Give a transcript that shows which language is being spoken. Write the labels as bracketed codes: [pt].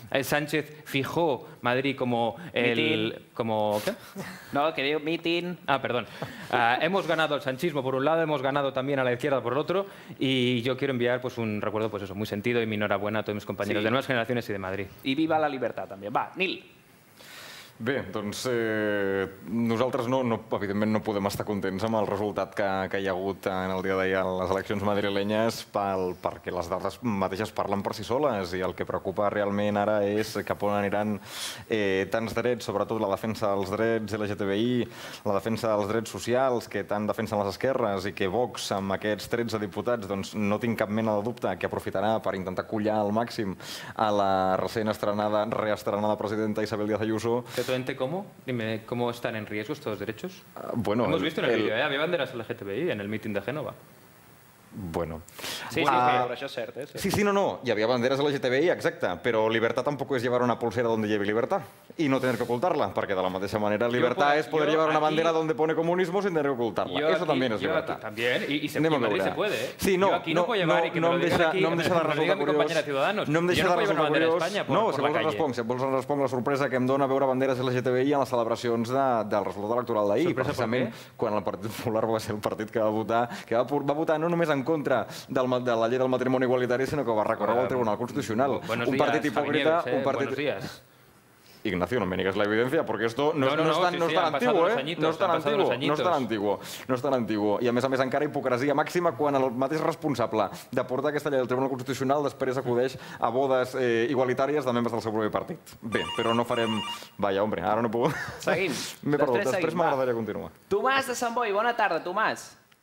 [es] El Sánchez fijó Madrid como el... como, ¿qué? No, querido, meeting. Ah, perdón. Hemos ganado al sanchismo por un lado, hemos ganado también a la izquierda por otro, y yo quiero enviar pues un recuerdo pues eso, muy sentido, y mi enhorabuena a todos mis compañeros, sí, de Nuevas Generaciones y de Madrid. Y viva la libertad también. Va, Nil. [ca] Bé, doncs nosaltres no, evidentment no podem estar contents amb el resultat que hi ha hagut en el dia d'ahir a les eleccions madrilenyes perquè les dades mateixes parlen per si soles, i el que preocupa realment ara és cap on aniran tants drets, sobretot la defensa dels drets LGTBI, la defensa dels drets socials que tant defensen les esquerres, i que Vox amb aquests 13 diputats, doncs no tinc cap mena de dubte que aprofitarà per intentar collar al màxim a la recent estrenada, reestrenada presidenta Isabel Díaz Ayuso. [es] ¿Cómo? Dime, ¿cómo están en riesgo estos derechos? Bueno, hemos visto en el vídeo, había banderas LGTBI en el mitin de Génova. Bueno. [ca] Sí, sí, això és cert. Sí, sí, no, no, hi havia banderes LGTBI, exacte, però libertat tampoc és llevar una pulsera on llevi libertat i no tenir que ocultar-la, perquè de la mateixa manera libertat és poder llevar una bandera on [es] pone comunismo sin tener que ocultar-la. Eso también es libertad. [ca] També, i en Madrid [es] se puede. Sí, no, [ca] no em deixa de resultar curiós. No em deixa de resultar curiós. No, si vols responc, si vols responc la sorpresa que em dona veure banderes LGTBI en les celebracions del resultat electoral d'ahir, precisament quan el Partit Popular va ser el partit que va votar, que va votar no només en contra de la llei del matrimoni igualitari, sinó que va recórrer al Tribunal Constitucional. Un partit hipòcrita... [es] Buenos días. Ignacio, no me niegues la evidencia, porque esto no es tan antiguo, ¿eh? No es tan antiguo, no es tan antiguo, no es tan antiguo. [ca] Y a més, encara hipocresia máxima quan el mateix responsable de portar aquesta llei al Tribunal Constitucional després acudeix a bodes igualitàries de membres del seu propi partit. Bé, però no farem... Vaja, hombre, ara no puc... Seguim. M'he perdut, després m'agradaria continuar. Tomàs de Sant Boi, bona tarda, Tomàs.